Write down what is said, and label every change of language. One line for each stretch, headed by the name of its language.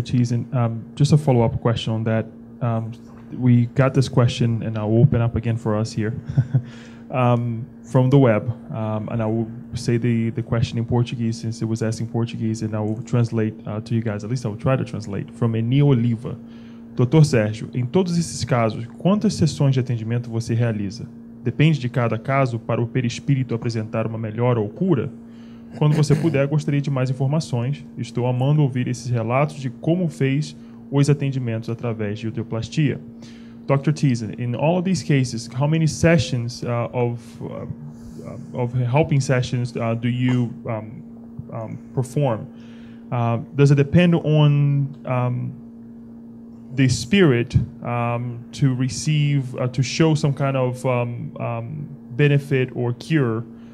English: Thiesen, just a follow-up question on that. We got this question, and I'll open up again for us here, from the web. And I will say the question in Portuguese, since it was asked in Portuguese, and I will translate to you guys. At least I will try to translate. From Enio Oliva. Dr.
Portuguese: Sérgio, em todos esses casos, quantas sessões de atendimento você realiza? Depende de cada caso para o perispírito apresentar uma melhora ou cura? Quando você puder, gostaria de mais informações. Estou amando ouvir esses relatos de como fez os atendimentos através de uterioplastia.
English: Dr. Thiesen, in all of these cases, how many sessions of helping sessions do you perform? Does it depend on the spirit to receive, to show some kind of benefit or cure?